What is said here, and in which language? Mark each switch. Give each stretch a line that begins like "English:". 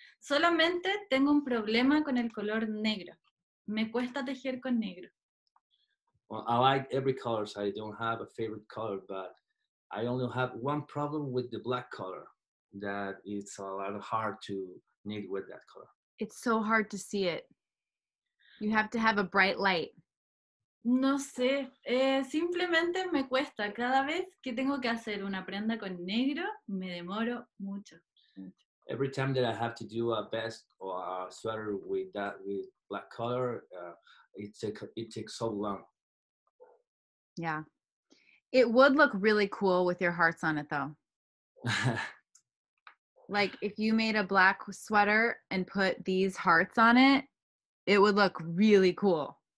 Spanish: Solamente tengo un problema con el color negro. Me cuesta tejer con negro.
English: Well, I like every color, so I don't have a favorite color, but I only have one problem with the black color. that it's a lot hard to knit with that color. It's so hard to see it. You have to have a bright light.
Spanish: No sé, simplemente me cuesta. Cada vez que tengo que hacer una prenda con negro, me demoro mucho.
English: Every time that I have to do a vest or a sweater with that with black color, it takes so long. Yeah. It would look really cool with your hearts on it, though. Like, if you made a black sweater and put these hearts on it, it would look really cool.